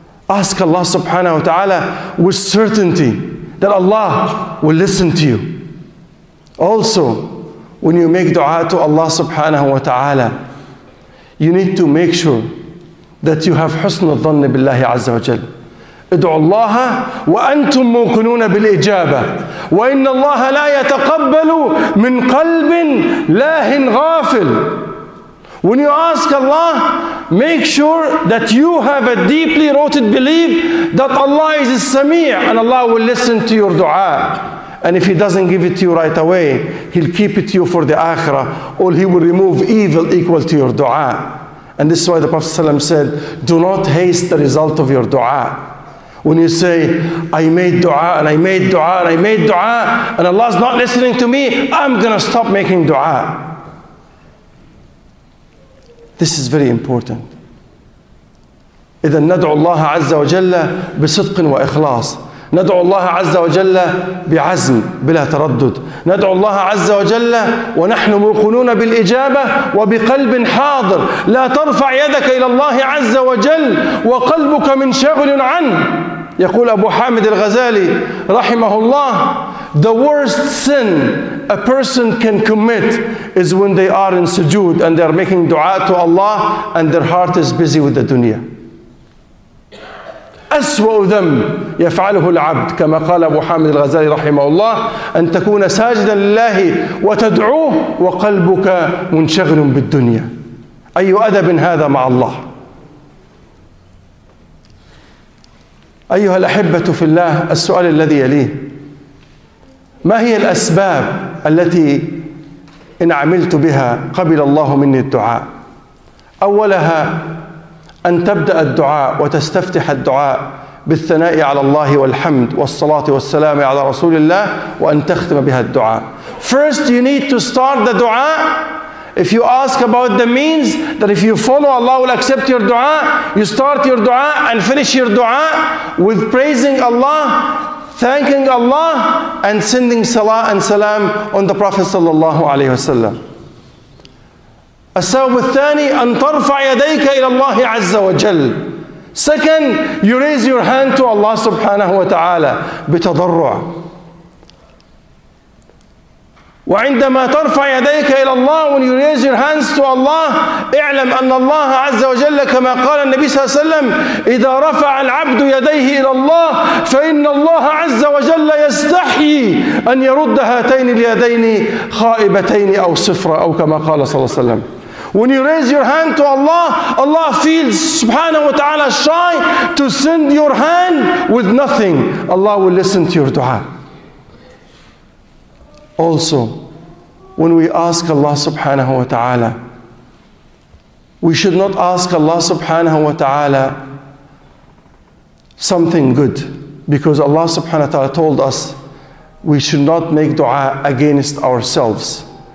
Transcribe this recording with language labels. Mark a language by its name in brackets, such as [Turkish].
[English] Ask Allah subhanahu wa ta'ala with certainty that Allah will listen to you. Also, when you make dua to Allah subhanahu wa ta'ala, you need to make sure that you have husn al-dhan billahi azza wa jal. [Arabic] ادعوا الله وأنتم موقنون بالإجابة وإن الله لا يتقبل من قلب لاهٍ غافل. [English] When you ask Allah, make sure that you have a deeply rooted belief that Allah is a Sami' and Allah will listen to your dua. And if He doesn't give it to you right away, He'll keep it to you for the Akhirah, or He will remove evil equal to your dua. And this is why the Prophet ﷺ said, do not haste the result of your dua. When you say, I made dua and I made dua and I made dua and Allah's not listening to me, I'm gonna stop making dua. This is very important. [Arabic] إذا ندعو الله عز وجل بصدق وإخلاص. ندعو الله عز وجل بعزم بلا تردد. ندعو الله عز وجل ونحن موقنون بالإجابة وبقلب حاضر. لا ترفع يدك إلى الله عز وجل وقلبك من شغل عنه. يقول أبو حامد الغزالي رحمه الله, [English] the worst sin a person can commit is when they are in sujood and they are making dua to Allah and their heart is busy with the dunya. [Arabic] أسوأ ذنب يفعله العبد كما قال أبو حامد الغزالي رحمه الله أن تكون ساجدا لله وتدعوه وقلبك منشغل بالدنيا. أي أدب هذا مع الله؟ أيها الأحبة في الله، السؤال الذي يليه: ما هي الأسباب التي إن عملت بها قبل الله مني الدعاء؟ أولها أن تبدأ الدعاء وتستفتح الدعاء بالثناء على الله والحمد والصلاة والسلام على رسول الله وأن تختم بها الدعاء. [English] First you need to start the dua. If you ask about the means, that if you follow, Allah will accept your dua. You start your dua and finish your dua with praising Allah, thanking Allah, and sending salah and salam on the Prophet sallallahu alaihi wasallam. [Arabic] السبب الثاني أن ترفع يديك إلى الله عز وجل. [English] Second, you raise your hand to Allah سبحانه وتعالى بتضرع. [Arabic] وعندما ترفع يديك إلى الله، [English] when you raise your hands to Allah، [Arabic] اعلم أن الله عز وجل كما قال النبي صلى الله عليه وسلم: إذا رفع العبد يديه إلى الله فإن الله عز وجل يستحي أن يرد هاتين اليدين خائبتين أو صفرا، أو كما قال صلى الله عليه وسلم. [English] When you raise your hand to Allah, Allah feels subhanahu wa ta'ala shy to send your hand with nothing. Allah will listen to your dua. Also, when we ask Allah subhanahu wa ta'ala, we should not ask Allah subhanahu wa ta'ala something good, because Allah subhanahu wa ta'ala told us we should not make dua against ourselves.